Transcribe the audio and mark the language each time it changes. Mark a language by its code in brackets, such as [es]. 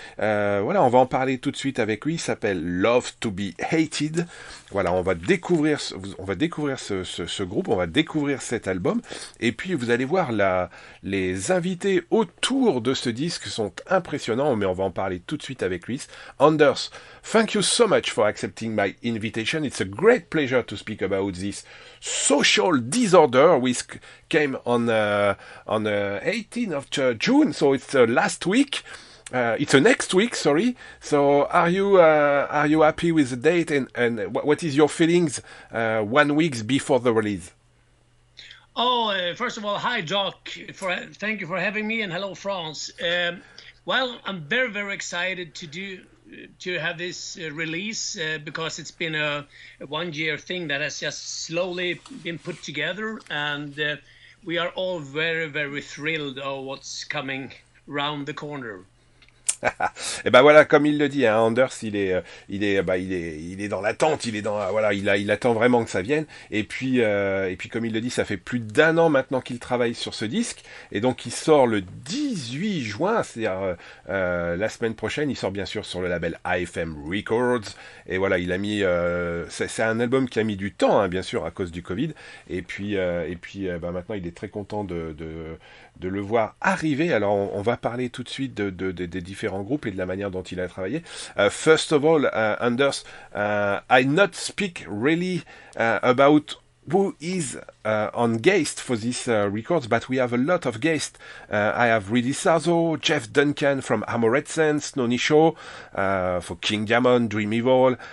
[fr] Voilà, on va en parler tout de suite avec lui. Il s'appelle Love to be Hated. Voilà, on va découvrir ce groupe, on va découvrir cet album, et puis vous allez voir, les invités autour de ce disque sont impressionnants, mais on va en parler tout de suite avec lui. [en] Anders, thank you so much for accepting my invitation. It's a great pleasure to speak about this social disorder which came on 18th of June, so it's last week. It's next week, sorry. So are you happy with the date and what is your feelings 1 week before the release? Oh, first of all, hi Doc, thank you for having me, and hello France. Well, I'm very, very excited to have this release because it's been a 1 year thing that has just slowly been put together, and we are all very, very thrilled of what's coming round the corner. [fr] Et ben voilà, comme il le dit, hein, Anders, il est dans l'attente, il attend vraiment que ça vienne. Et puis comme il le dit, ça fait plus d'un an maintenant qu'il travaille sur ce disque, et donc il sort le 18 juin, c'est-à-dire la semaine prochaine. Il sort bien sûr sur le label AFM Records. Et voilà, il a mis, c'est un album qui a mis du temps, hein, bien sûr, à cause du Covid. Et puis maintenant, il est très content de le voir arriver. Alors on va parler tout de suite de différents groupes et de la manière dont il a travaillé. [en] First of all, Anders, I not speak really about who is on guest for this records, but we have a lot of guests. I have Rudy Sarzo, Jeff Duncan from Armored Sense, Noni Shaw for King Diamond, Dream Evil.